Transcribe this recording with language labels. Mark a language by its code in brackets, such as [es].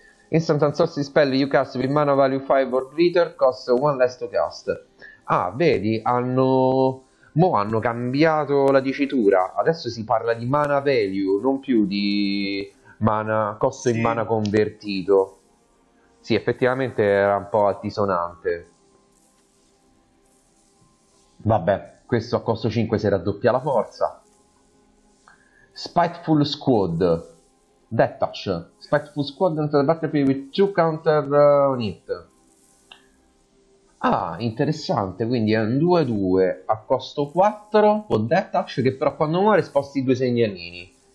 [en] Instant and sorcery spell you cast with mana value 5 or greater cost one less to cast. [it] Ah, vedi, hanno... Mo' hanno cambiato la dicitura, adesso si parla di mana value, non più di mana, costo in Sì. mana convertito. Sì, effettivamente era un po' altisonante. Vabbè, questo a costo 5 si raddoppia la forza. [en] Spiteful Squad. Detach. Spiteful Squad enter the battlefield with two counter on it. [it] Ah, interessante, quindi è un 2-2 a costo 4 con detach che però quando muore sposti due segnalini.